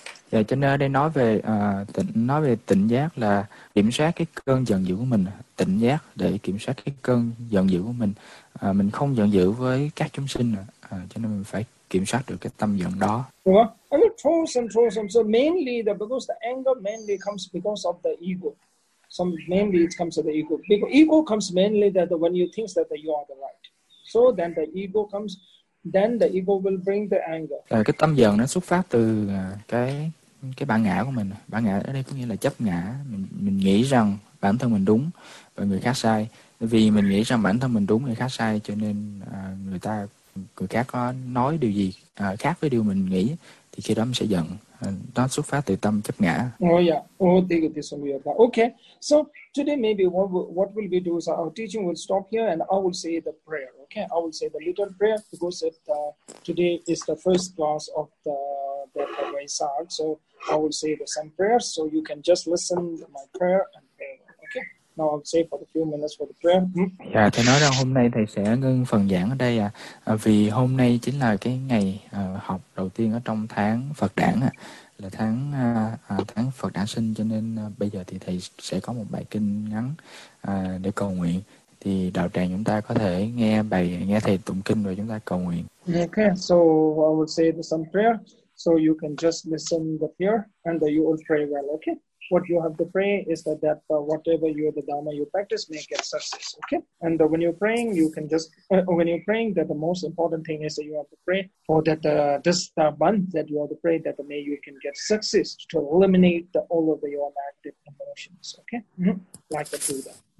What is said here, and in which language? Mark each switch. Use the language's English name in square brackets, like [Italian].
[Vietnamese] Dạ, cho nên ở đây nói về tỉnh giác là kiểm soát cái cơn giận dữ của mình, tỉnh giác để kiểm soát cái cơn giận dữ của mình không giận dữ với các chúng sinh cho nên mình phải kiểm soát được cái tâm giận đó. [English] So mainly the because the anger mainly comes because of the ego. So mainly it comes to the ego. Because ego comes mainly that the, when you think that the, you are the right. So then the ego comes, then the ego will bring the anger. [Vietnamese] Cái tâm giận nó xuất phát từ cái bản ngã của mình. Bản ngã ở đây có nghĩa là chấp ngã. Mình nghĩ rằng bản thân mình đúng và người khác sai. Vì mình nghĩ rằng bản thân mình đúng người khác sai cho nên người khác có nói điều gì khác với điều mình nghĩ thì khi đó mình sẽ giận. Nó xuất phát từ tâm chấp ngã. [English] Oh yeah. Oh, take it this one we have. Okay. So today maybe what will we do is our teaching will stop here and I will say the prayer. Okay. I will say the little prayer because it today is the first class of the Vaisakh. So I will say the same prayer. So you can just listen to my prayer and pray. Okay. Now I'll say for the few minutes for the prayer. [Vietnamese] Dạ, thầy nói rằng hôm nay thầy sẽ ngưng phần giảng ở đây vì hôm nay chính là cái ngày học đầu tiên ở trong tháng Phật Đản là tháng tháng Phật Đản sinh, cho nên bây giờ thì thầy sẽ có một bài kinh ngắn để cầu nguyện, thì đạo tràng chúng ta có thể nghe thầy tụng kinh rồi chúng ta cầu nguyện. [English] Okay, so I will say the some prayer, so you can just listen the prayer and you will pray well, okay? What you have to pray is that whatever you the dharma you practice may get success, okay? And when you're praying, you can just when you're praying that the most important thing is that you have to pray for that this month that you have to pray that may you can get success to eliminate all of your negative emotions, okay? Like the Buddha.